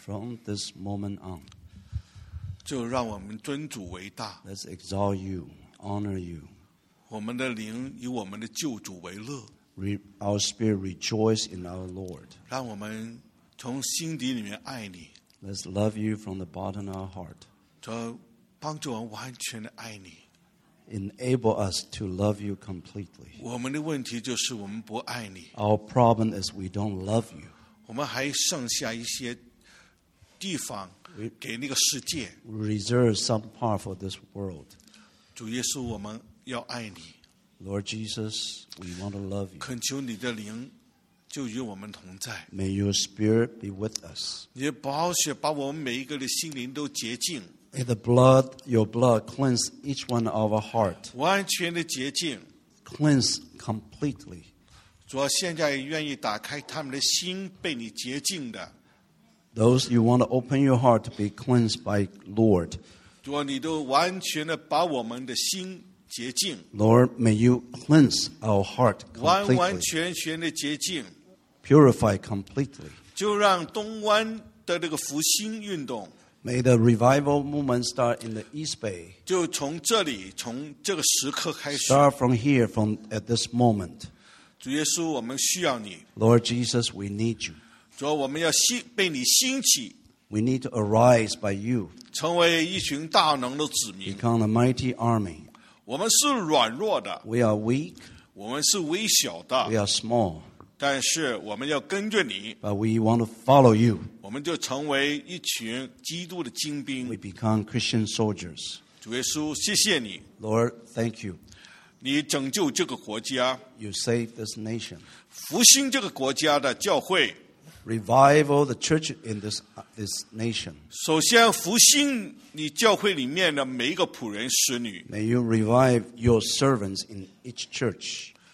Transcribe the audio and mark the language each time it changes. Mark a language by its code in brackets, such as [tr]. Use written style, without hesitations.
[en] From this moment on. [zh] 就让我们尊主为大。 [en] Let's exalt you, honor you. [zh] 我们的灵以我们的救主为乐。 [en] Our spirit rejoice in our Lord. [zh] 让我们从心底里面爱你。 [en] Let's love you from the bottom of our heart. [zh] 主，帮助我们完全的爱你。 [en] Enable us to love you completely. [zh] 我们的问题就是我们不爱你。 [en] Our problem is we don't love you. [zh] 我们还剩下一些地方给那个世界。 [en] We reserve some part for this world. [zh] 主耶稣，我们要爱你。 [en] Lord Jesus, we want to love you. [zh] 恳求你的灵就与我们同在。 [en] May your spirit be with us. [zh] 你的宝血把我们每一个的心灵都洁净。 [en] May the blood, your blood cleanse each one of our heart. [zh] 完全的洁净。 [en] Cleanse completely. [zh] 主啊，现在愿意打开他们的心被你洁净的。 [en] Those you want to open your heart to be cleansed by Lord. [zh] 主啊，你都完全的把我们的心洁净。 [en] Lord, may you cleanse our heart completely. [zh] 完完全全的洁净。 [en] Purify completely. [zh] 就让东湾的这个复兴运动。 [en] May the revival movement start in the East Bay. [zh] 就从这里，从这个时刻开始。 [en] Start from here, from at this moment. [zh] 主耶稣，我们需要你。 [en] Lord Jesus, we need you. [zh] 主，我们要被你兴起。 [en] We need to arise by you. [zh] 成为一群大能的子民。 [en] Become a mighty army. [zh] 我们是软弱的。 [en] We are weak. [zh] 我们是微小的。 [en] We are small. [zh] 但是我们要跟着你 [en] But we want to follow you. [zh] 我们就成为一群基督的精兵 [en] We become Christian soldiers. [zh] 主耶稣谢谢你 [en] Lord, thank you. [zh] 你拯救这个国家 [en] You save this nation. [zh] 复兴这个国家的教会 [en] Revival the church in this nation. [zh] 首先复兴你教会里面的每一个仆人使女 [en] May you revive your servants in each church.